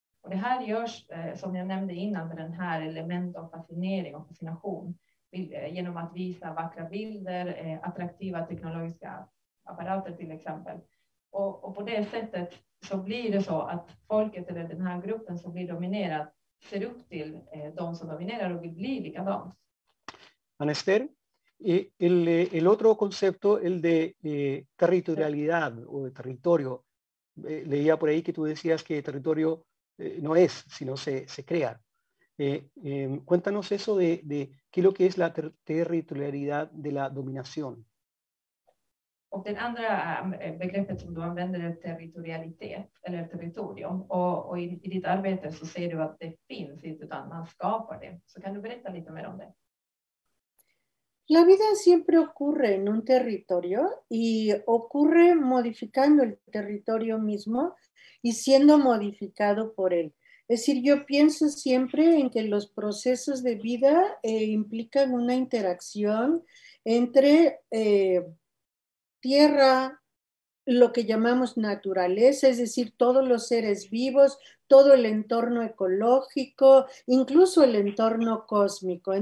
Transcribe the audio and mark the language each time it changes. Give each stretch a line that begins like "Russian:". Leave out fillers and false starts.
Swedish: Och det här görs, som jag nämnde innan, med den här element av fascinering och fascination. Genom att visa vackra bilder, attraktiva teknologiska apparater till exempel. Och på det sättet så blir det så att folket eller den här gruppen som blir dominerad ser upp till de som dominerar och vill bli likadant.
Spanish: Anester, el otro concepto, el de territorialidad o de territorio. Leía por ahí que tú decías que territorio no es, sino se crea. Cuéntanos eso de qué es lo que es la territorialidad de la dominación.
Swedish: Och det andra begreppet som du använder är territorialitet eller territorium. Och i ditt arbete så ser du att det finns, inte utan man skapar det. Så kan du berätta lite mer om det?
Spanish: La vida siempre ocurre en un territorio y ocurre modificando el territorio mismo y siendo modificado por él. Es decir, yo pienso siempre en que los procesos de vida implican una interacción entre tierra, lo que llamamos naturaleza, es decir, todos los seres vivos, todo el entorno ecológico, incluso el entorno cósmico.